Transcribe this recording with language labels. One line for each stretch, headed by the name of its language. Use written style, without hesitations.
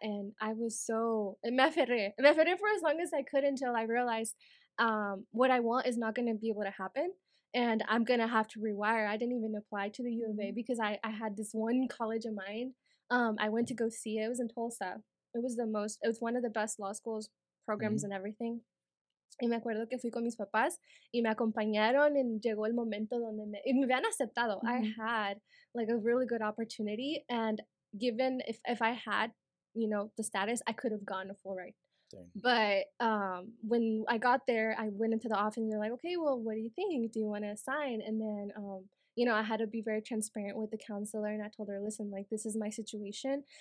English: And I was so me aferré for as long as I could until I realized what I want is not going to be able to happen. And I'm going to have to rewire. I didn't even apply to the U of A because I had this one college in mind. I went to go see it. It was in Tulsa. It was one of the best law schools programs and everything.
Spanish: Y me acuerdo que fui con mis papás y me acompañaron y llegó el momento donde me habían aceptado.
English: I had like a really good opportunity. And given if I had, you know, the status, I could have gone a full ride. But when I got there, I went into the office and they're like, okay, well, what do you think? Do you want to sign? And then, you know, I had to be very transparent with the counselor and I told her, listen, like, this is my situation.